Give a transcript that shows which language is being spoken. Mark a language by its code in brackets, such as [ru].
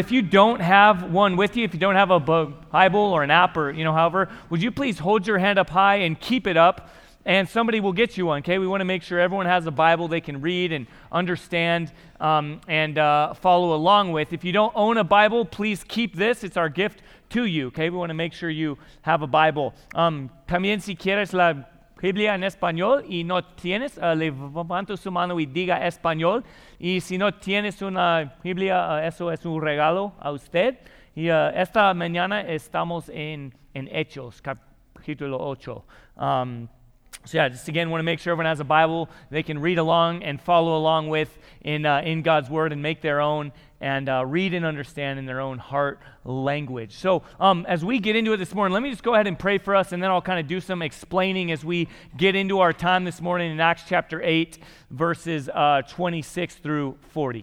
[en] If you don't have one with you, if you don't have a Bible or an app, or you know, however, would you please hold your hand up high and keep it up, and somebody will get you one. Okay, we want to make sure everyone has a Bible they can read and understand follow along with. If you don't own a Bible, please keep this. It's our gift to you. Okay, we want to make sure you have a Bible. [es] También si quieres la Biblia en español y no tienes, levanta su mano y diga español. Y si no tienes una Biblia, eso es un regalo a usted. Y esta mañana estamos en Hechos, capítulo 8. [en] So yeah, just again, want to make sure everyone has a Bible they can read along and follow along with in God's Word and make their own and read and understand in their own heart language. So as we get into it this morning, let me just go ahead and pray for us, and then I'll kind of do some explaining as we get into our time this morning in Acts chapter 8, verses 26 through 40.